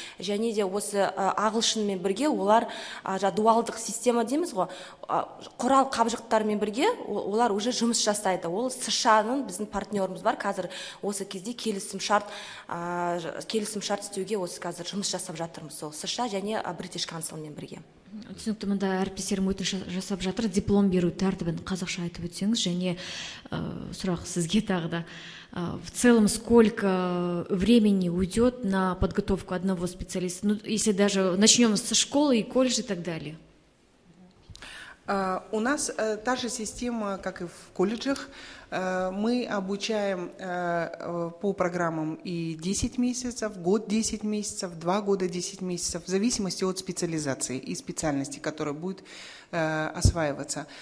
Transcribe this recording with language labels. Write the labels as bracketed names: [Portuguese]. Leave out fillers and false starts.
[Kazakh] Және де осы ағылшынмен бірге олар дуалдық система дейміз ғой, құрал қабжықтармен бірге олар уже жұмыс жасайды. Ол США-ның біздің партнерымыз бар, қазір осы кезде келісім шарт істеуге осы қазір жұмыс жасап жатырмыз. Ол США және British Council-мен бірге. Түсінікті, мұнда әріптестерім өтініш жасап жатыр, диплом беру тәртібін қазақша айтып өтсеңіз, және сұрақ сізге тағы да. [Russian] В целом, сколько времени уйдет на подготовку одного специалиста? Ну, если даже начнем со школы и колледжа и так далее. У нас та же система, как и в колледжах. Мы обучаем по программам и 10 месяцев, год 10 месяцев, 2 года 10 месяцев, в зависимости от специализации и специальности, которая будет осваиваться.